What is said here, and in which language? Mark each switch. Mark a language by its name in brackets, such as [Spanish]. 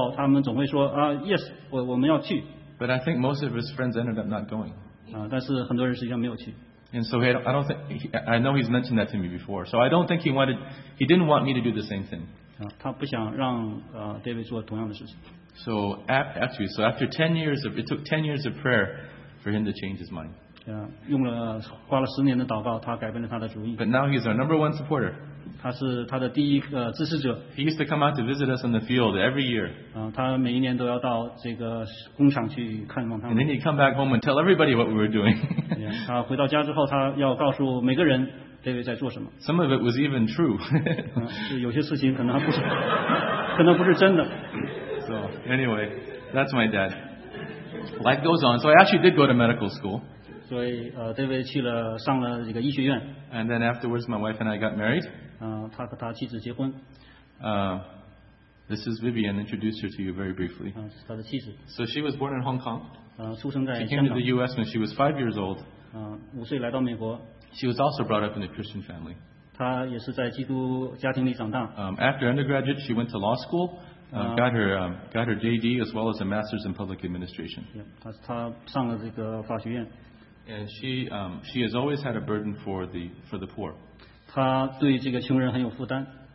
[Chinese] 当他在教会长大的时候，当宣教士来的时候，他们总会说，"Yes, 我们要去." [English] But I think most of his friends ended up not going. [Chinese] 但是很多人实际上没有去。 [English] And so I know he's mentioned that to me before. So I don't think he didn't want me to do the same thing. [Chinese] 他不想让, David做同样的事情。 [English] So after 10 years of, it took 10 years of prayer for him to change his mind. [Chinese] Yeah, 花了10年的祷告, 他改变了他的主意。 [English] But now he's our number one supporter. [Chinese] 他是他的第一支持者。 [English] He used to come out to visit us in the field every year. [Chinese] 他每一年都要到这个工厂去看望他们。 [English] And then he'd come back home and tell everybody what we were doing. [Chinese] Yeah, 他回到家之后，他要告诉每个人 David 在做什么。 [English] Some of it was even true. [Chinese] 有些事情可能不是真的。 [English] So anyway, that's my dad. Life goes on. So I actually did go to medical school. [Chinese] 所以, David上了一个医学院。 [English] And then afterwards, my wife and I got married. [Chinese] 他和他妻子结婚。 [English] This is Vivian. Introduce her to you very briefly. [Chinese] 她的妻子。 [English] So she was born in Hong Kong. [Chinese] 出生在香港。 [English] She came to the U.S. when she was 5 years old. [Chinese] 5岁来到美国。 [English] She was also brought up in a Christian family. [Chinese] 她也是在基督家庭里长大。 [English] After undergraduate, she went to law school. Got her JD as well as a master's in public administration. [Chinese] 她上了这个法学院。 [English] And she has always had a burden for the poor. [Chinese] 她对这个穷人很有负担。